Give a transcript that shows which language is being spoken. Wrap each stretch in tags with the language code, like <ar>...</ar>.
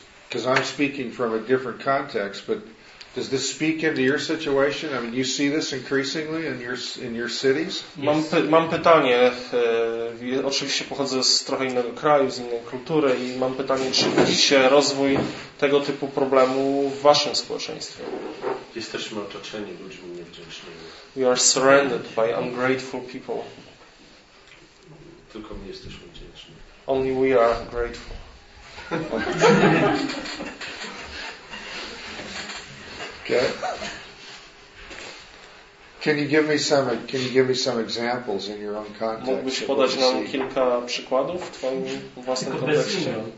<en>Because I'm speaking from a different context, but Does this speak into your situation? I mean, you see this increasingly in your cities?</en> <pl>Mam pytanie. Oczywiście pochodzę z trochę innego kraju, z innej kultury i mam pytanie, czy widzi się rozwój tego typu problemu w waszym społeczeństwie? Jesteśmy otoczeni ludźmi niewdzięcznymi.</pl> <en>We are surrounded by ungrateful people.</en> <pl>Tylko my jesteśmy wdzięczni.</pl> <en>Only we are grateful. Okay. Can you give me some examples in your own context?</en> <pl>Mógłbyś podać nam kilka przykładów w twoim własnym kontekście?</pl>